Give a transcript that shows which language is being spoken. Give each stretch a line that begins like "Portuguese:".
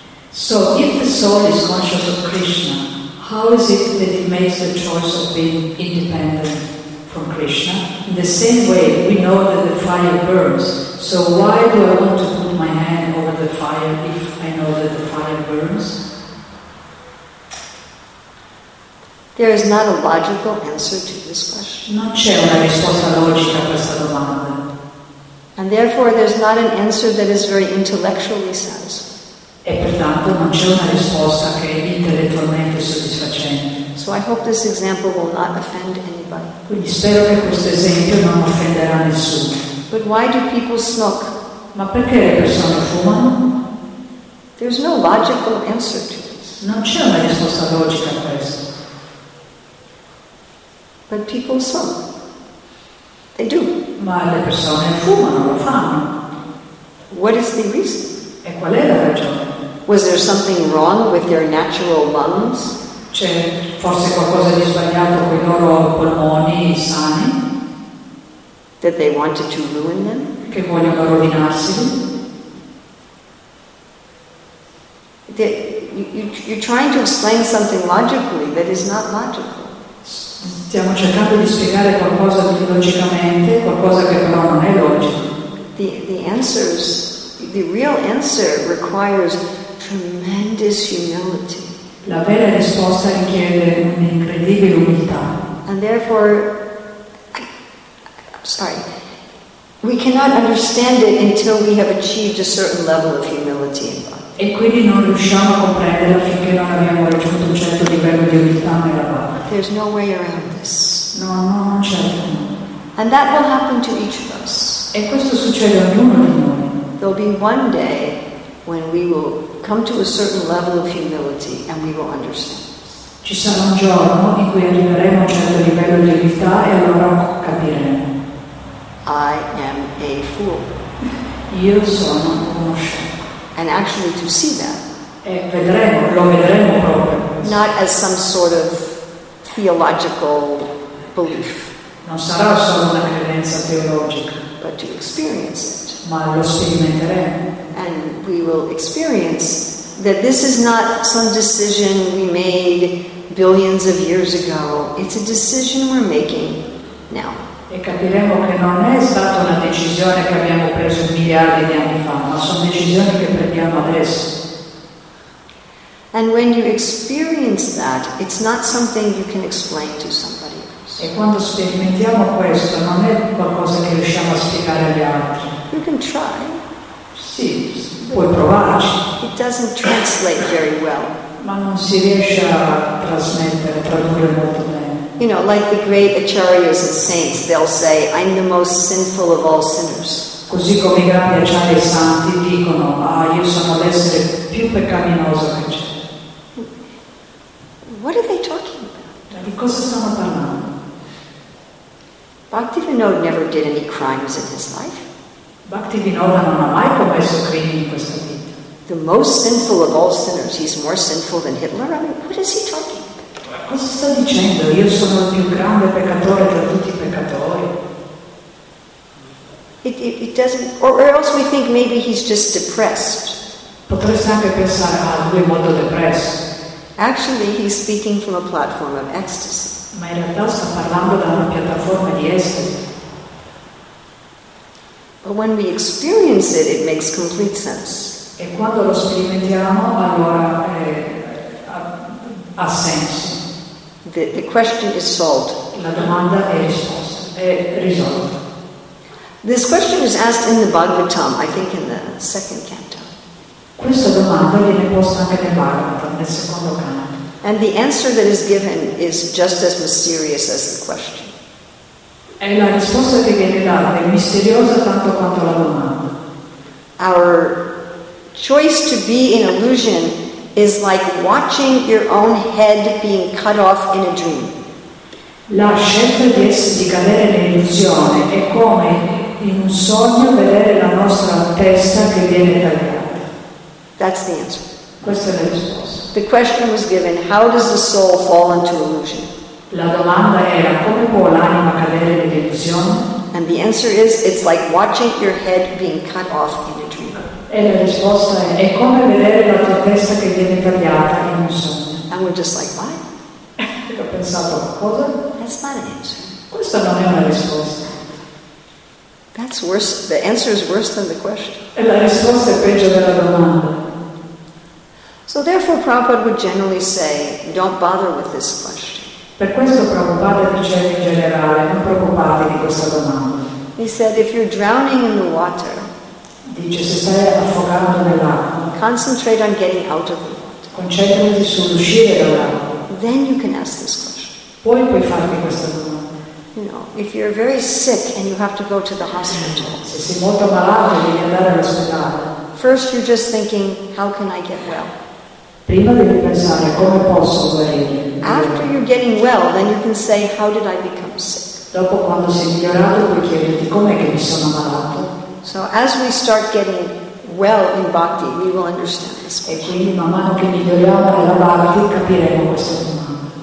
English: So, if the soul is conscious of Krishna, how is it that it makes the choice of being independent from Krishna? In the same way, we know that the fire burns. So, why do I want to put my hand over the fire if I know that the fire burns? There is not a logical answer to this question.
Italian: Non c'è una risposta logica a questa domanda.
English: And therefore, there's not an answer that is very intellectually satisfying.
Italian: E pertanto non c'è una risposta che è intellettualmente soddisfacente.
English: So I hope this example will not offend anybody.
Italian: Quindi spero che questo esempio non offenderà nessuno.
English: But why do people smoke?
Italian: Ma perché le persone fumano?
English: There's no logical answer to this.
Italian: Non c'è una risposta logica a questo.
English: But people smoke. They do.
Italian: Ma le persone fumano, lo fanno.
English: What is the reason?
Italian: E qual è la ragione?
English: Was there something wrong with their natural lungs?
Italian: c'è forse qualcosa di sbagliato con i loro polmoni sani,
English: that they wanted to ruin them,
Italian: che vogliono rovinarsi.
English: That you're trying to explain something logically that is not logical.
Italian: Stiamo cercando di spiegare qualcosa di logicamente, qualcosa che però non è logico.
English: The real answer requires tremendous humility.
Italian: La vera risposta richiede un'incredibile umiltà.
English: And therefore, we cannot understand it until we have achieved a certain level of humility in God.
Italian: E quindi non riusciamo a comprenderla finché non abbiamo raggiunto un certo livello di umiltà nella parte.
English: There's no way around this.
Italian: No, no, non c'è.
English: And that will happen to each of us.
Italian: E questo succede a ognuno di noi.
English: There'll be one day when we will come to a certain level of humility and we will understand.
Italian: Ci sarà un giorno in cui arriveremo a un certo livello di umiltà e allora capiremo.
English: I am a fool.
Italian: Io sono uno scemo.
English: And actually to see that.
Italian: E vedremo, lo vedremo proprio.
English: Not as some sort of theological belief.
Italian: Non sarà solo una credenza teologica.
English: But to experience it.
Italian: Ma lo sperimenteremo.
English: And we will experience that this is not some decision we made billions of years ago. It's a decision we're making now.
Italian: E capiremo che non è stata una decisione che abbiamo preso miliardi di anni fa, ma sono decisioni che prendiamo adesso.
English: And when you experience that, it's not something you can explain to somebody else.
Italian: E quando sperimentiamo questo, non è qualcosa che riusciamo a spiegare agli altri.
English: You can try.
Italian: Sì, puoi provarci.
English: It doesn't translate very well.
Italian: Ma non si riesce a trasmettere, tradurre molto bene.
English: You know, like the great acharyas and saints, they'll say, "I'm the most sinful of all sinners."
Italian: Così come i grandi acharya e santi dicono, "Ah, io sono l'essere più peccaminoso che c'è."
English: What are they talking about?
Italian: Di cosa stanno parlando?
English: Bhaktivinoda never did any crimes in his life.
Italian: Bhaktivinoda non ha mai commesso crimini in questa vita.
English: The most sinful of all sinners. He's more sinful than Hitler. I mean, what is he talking?
Italian: Cosa sta dicendo? Io sono il più grande peccatore tra tutti i peccatori.
English: It doesn't, or else we think maybe he's just depressed.
Italian: Potreste anche pensare, ah, lui è molto depresso.
English: Actually, he's speaking from a platform of ecstasy.
Italian: Ma in realtà sta parlando da una piattaforma di estasi.
English: But when we experience it, it makes complete sense.
Italian: E quando lo sperimentiamo, allora ha senso.
English: The question is solved.
Italian: La domanda è risolta.
English: This question is asked in the Bhagavatam, I think in the second canto.
Italian: Questa domanda viene posta anche nel Bhagavatam, nel secondo canto.
English: And the answer that is given is just as mysterious as the question.
Italian: E la risposta che viene data è misteriosa tanto quanto la domanda.
English: Our choice to be in illusion is like watching your own head being cut off in a dream.
Italian: La scelta di cadere nell'illusione è come in un sogno vedere la nostra testa che viene tagliata.
English: That's the answer.
Italian: Questa è la risposta.
English: The question was given, how does the soul fall into illusion?
Italian: La domanda era, come può l'anima cadere nell'illusione?
English: And the answer is, it's like watching your head being cut off in a dream.
Italian: E la risposta è come vedere la tua testa che viene tagliata in un sogno.
English: And we're just like, why?
Italian: E ho pensato, cosa?
English: That's not an answer.
Italian: Questa non è una risposta.
English: That's worse. The answer is worse than the question.
Italian: E la risposta è peggio della domanda.
English: So therefore Prabhupada would generally say, don't bother with this question.
Italian: Per questo Prabhupada dice in generale, non preoccupatevi di questa domanda.
English: He said, if you're drowning in the water,
Italian: dice, se stai affogando nell'acqua,
English: concentrate on getting out of the water.
Italian: Concentrati sull'uscire dall'acqua.
English: Then you can ask this question.
Italian: Poi puoi farti questa domanda.
English: You know, if you're very sick and you have to go to the hospital,
Italian: se sei molto malato e devi andare all'ospedale,
English: first you're just thinking, how can I get well?
Italian: Prima devi pensare, come posso guarire?
English: After you're getting well, then you can say, how did I become sick?
Italian: Dopo, quando sei migliorato, puoi chiederti, com'è che mi sono malato?
English: So as we start getting well in bhakti, we will understand this question.
Italian: E quindi man mano che miglioriamo nella bhakti, capiremo questa domanda.